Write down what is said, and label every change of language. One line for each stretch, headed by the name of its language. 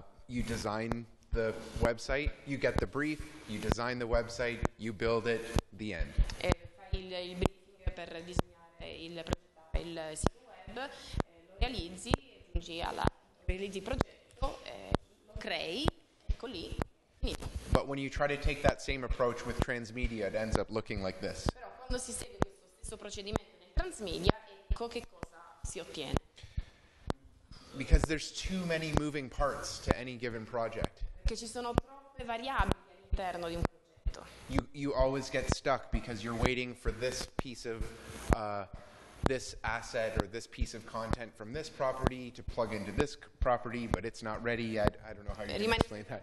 English: You design the website, you get the brief, you design the website, you build it, the end.
Italian: E fai il briefing per disegnare il sito web, lo realizzi, aggiungi alla realizzi il progetto, lo crei, ecco lì, finito.
English: But when you try to take that same approach with transmedia, it ends up looking like this.
Italian: Però quando si segue questo stesso procedimento nel transmedia, ecco che cosa si ottiene.
English: Because there's too many moving parts to any given project.
Italian: Perché ci sono troppe variabili all'interno di un progetto.
English: you always get stuck because you're waiting for this piece of this asset or this piece of content from this property to plug into this property, but it's not ready yet. I don't know how you're going to explain that.